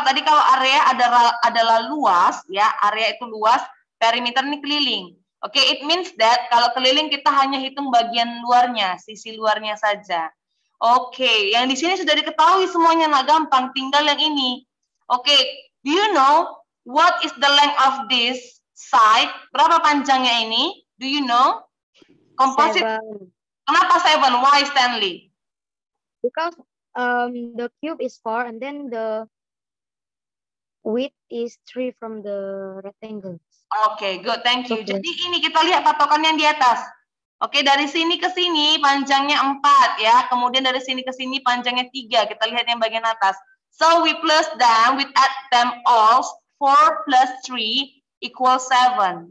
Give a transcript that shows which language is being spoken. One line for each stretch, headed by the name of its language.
Indonesian: Tadi kalau area adalah luas, ya area itu luas, perimeter ini keliling. Oke, okay,
English: it means that
Indonesian: kalau keliling kita hanya hitung bagian luarnya, sisi luarnya saja. Oke, okay. Yang di sini sudah diketahui semuanya, nggak gampang, tinggal yang ini. Oke, okay.
English: Do you know what is the length of this side?
Indonesian: Berapa panjangnya ini?
English: Do you know? Composite. Seven.
Indonesian: Kenapa seven? Why, Stanley?
English: Because the cube is 4 and then the width is 3 from the rectangle. Okay, good. Thank you. Okay.
Indonesian: Jadi ini kita lihat patokan yang di atas. Okay, dari sini ke sini panjangnya 4 ya. Kemudian dari sini ke sini panjangnya 3. Kita lihat yang bagian atas.
English: So we plus them, we add them all. 4 plus 3 equals 7.